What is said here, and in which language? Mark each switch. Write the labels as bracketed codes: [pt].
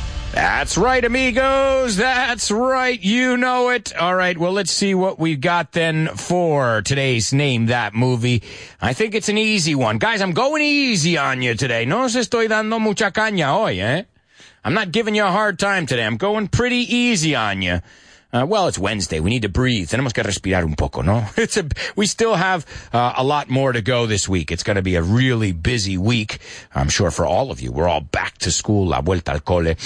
[en] That's right, amigos. That's right. You know it. All right. Well, let's see what we've got then for today's Name That Movie. I think it's an easy one. Guys, I'm going easy on you today. [es] No se estoy dando mucha caña hoy, eh? [en] I'm not giving you a hard time today. I'm going pretty easy on you. Well, it's Wednesday. We need to breathe. [es] Tenemos que respirar un poco, ¿no? [en] We still have a lot more to go this week. It's going to be a really busy week, I'm sure, for all of you. We're all back to school, la vuelta al cole.